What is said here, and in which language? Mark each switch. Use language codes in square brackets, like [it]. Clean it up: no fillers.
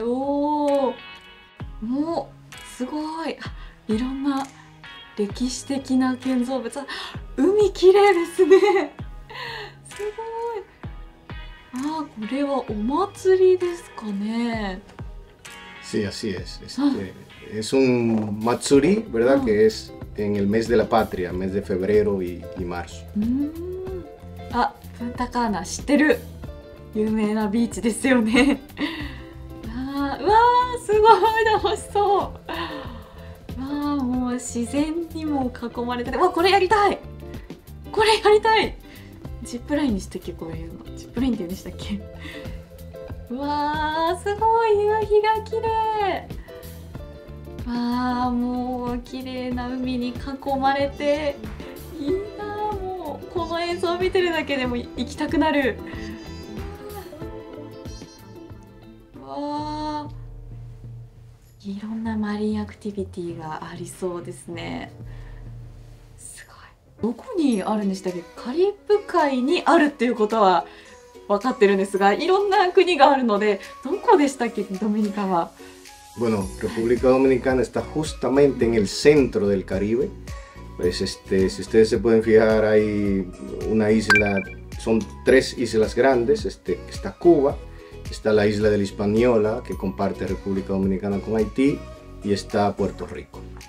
[ja] おお、もうすごい、いろんな歴史的な建造物。海綺麗ですね。すごい。あ、これはお祭りですかね。 [es] Sí, así es. Es un matsuri, ¿verdad? Que es en el mes de la patria, mes de febrero y marzo. [ja] あ、プンタカーナ知ってる。有名なビーチですよね。あ、うわー、すごい楽しそう。わあ、もう自然にも囲まれてて、わ、これやりたい、これやりたい。ジップラインにしたっけ、こういうの。ジップラインって言うんでしたっけ。わあ、すごい、夕日が綺麗。わあ、もう綺麗な海に囲まれて、いいなあ。もうこの映像を見てるだけでも行きたくなる。わあ、いろんなマリンアクティビティがありそうですね。すごい。どこにあるんでしたっけ。カリブ海にあるっていうことは分かってるんですが、いろんな国があるので、どこでしたっけ、ドミニカは。 [es] Bueno, República Dominicana está justamente en el centro del Caribe. Pues si ustedes se pueden fijar, hay una isla, son tres islas grandes. Está Cuba. Está la isla de la Hispaniola, que comparte República Dominicana con Haití, y está Puerto Rico.